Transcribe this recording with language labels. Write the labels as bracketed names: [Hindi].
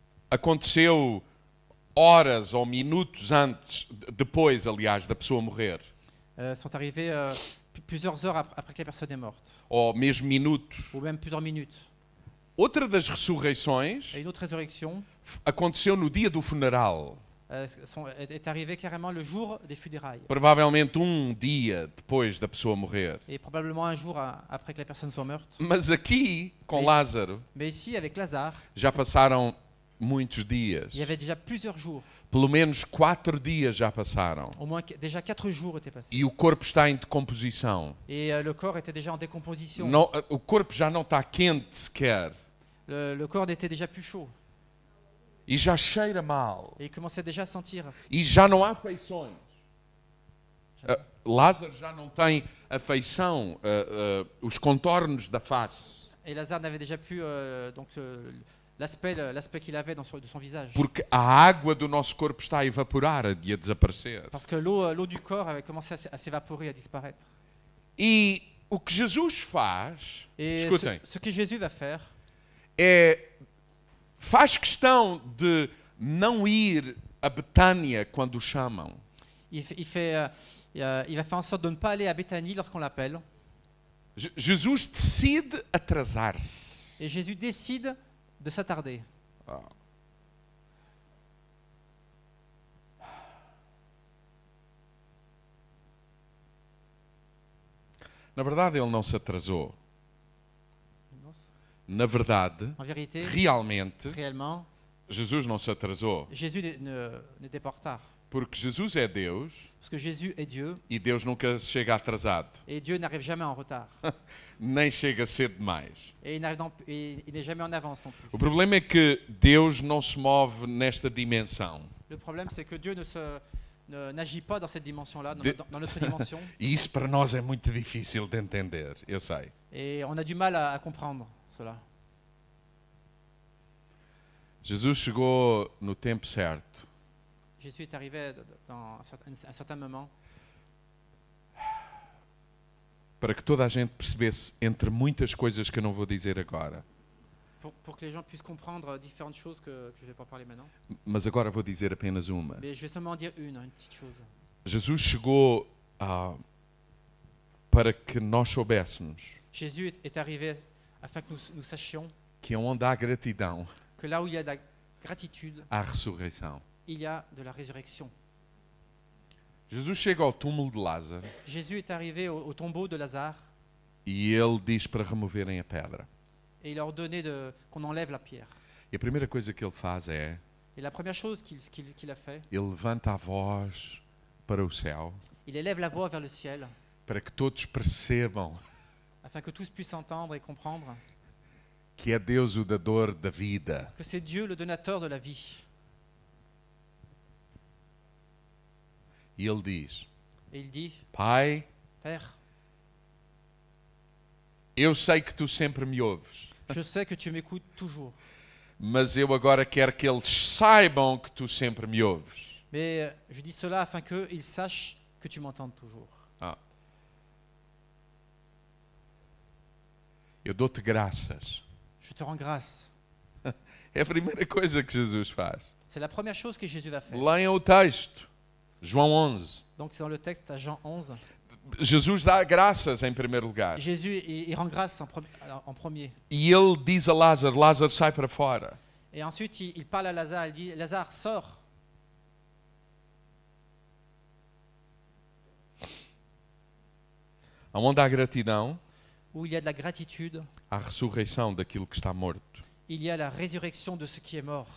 [Portuguese] aconteceu horas ou minutos antes, depois, aliás, da pessoa morrer. [French] Sont arrivés plusieurs heures après que la personne est morte. [Portuguese] Ou mesmo minutos. [French] Ou même plusieurs minutes. [Portuguese] Outra das ressurreições. [French] Et une autre résurrection. [Portuguese] Aconteceu no dia do funeral. [French] Est arrivé carrément le jour des funérailles. [Portuguese] Provavelmente um dia depois da pessoa morrer. [French] Et probablement un jour après que la personne soit morte. [Portuguese] Mas aqui com Lázaro. [French] Mais ici avec Lazare. [Portuguese] Já passaram muitos dias. [French] Il y avait déjà plusieurs jours. [Portuguese] Pelo menos 4 dias já passaram. [French] Au moins déjà 4 jours étaient passés. [Portuguese] E o corpo está em decomposição. [French] Et le corps était déjà en décomposition. [Portuguese] Não, o corpo já não está quente sequer. [French] Le corps était déjà plus chaud. [Portuguese] E já cheira mal. [French] Et il commençait déjà à sentir. [Portuguese] E já não há feições. Lázaro já não tem a feição, os contornos da face. [French] Et Lazare n'avait déjà plus donc l'aspect qu'il avait de son visage. [Portuguese] Porque a água do nosso corpo está a evaporar e a desaparecer. [French] Parce que l'eau du corps avait commencé à s'évaporer, à disparaître. [Portuguese] E o que Jesus faz, escutem, [French] ce que Jésus va faire, [Portuguese] é faz questão de não ir à Betânia quando o chamam. [French] Il va faire en sorte de ne pas aller à Bethanie lorsqu'on l'appelle. [Portuguese] Jesus decide atrasar-se. [French] Et Jésus décide de s'attarder. Oh. [Portuguese] Na verdade, ele não se atrasou. Nossa. Na verdade, [French] en vérité, [Portuguese] realmente, [French] réellement, [Portuguese] Jesus não se atrasou. [French] Jesus n'était pas en retard. [Portuguese] Porque Jesus é Deus. [French] Parce que Jésus est Dieu. [Portuguese] E Deus nunca chega atrasado. [French] Et Dieu n'arrive jamais en retard. [Portuguese] Nem chega cedo demais. [French] Et il n'est jamais en avance non plus. [Portuguese] O problema é que Deus não se move nesta dimensão. [French] Le problème c'est que Dieu n'agit pas dans cette dimension là, dans notre dimension. [Portuguese] E isso para nós é muito difícil de entender, eu sei. [French] Et on a du mal à comprendre cela. [Portuguese] Jesus chegou no tempo certo. [French] Jésus est arrivé dans un certain moment. [Portuguese] Para que toda a gente percebesse, entre muitas coisas que eu não vou dizer agora. [French] Pour que les gens puissent comprendre différentes choses que je vais pas parler maintenant. [Portuguese] Mas agora vou dizer apenas uma. [French] Mais je vais seulement dire une petite chose. [Portuguese] Jesus chegou para que nós soubéssemos. [French] Jésus est arrivé afin que nous sachions. [Portuguese] Que onde há gratidão. [French] Que là où il y a de la gratitude. [Portuguese] Há ressurreição. [French] Il y a de la résurrection. [Portuguese] Jesus chega ao túmulo de Lázaro. [French] Jésus est arrivé au tombeau de Lazare. [Portuguese] E ele diz para removerem a pedra. [French] Et il a ordonné qu'on enlève la pierre. [Portuguese] E a primeira coisa que ele faz é. [French] Et la première chose qu'il a fait. [Portuguese] Ele levanta a voz para o céu. [French] Il élève la voix vers le ciel. [Portuguese] Para que todos percebam. [French] Afin que tous puissent entendre et comprendre. [Portuguese] Que é Deus o dador da vida. [French] Que c'est Dieu le donateur de la vie. [Portuguese] E ele diz, Pai, [French] Père, [Portuguese] eu sei que tu sempre me ouves. [French] Je sais que tu m'écoutes toujours. [Portuguese] Mas eu agora quero que eles saibam que tu sempre me ouves. [French] Mais je dis cela afin que ils sachent que tu m'entendes toujours. Ah. [Portuguese] Eu dou-te graças. [French] Je te rends grâce. [Portuguese] É a primeira coisa que Jesus faz. [French] C'est la première chose que Jésus va faire. [Portuguese] Lá em o texto, João 11. [French] Donc c'est dans le texte à Jean 11. [Portuguese] Jesus dá graças em primeiro lugar. [French] Jesus il rend grâce en premier. [Portuguese] E ele diz a Lázaro, Lázaro sai para fora. [French] Et ensuite il parle à Lazare, il dit Lazare sort. [Portuguese] Aonde há gratidão? [French] Où il y a de la gratitude. [Portuguese] A ressurreição daquilo que está morto. [French] Il y a la résurrection de ce qui est mort.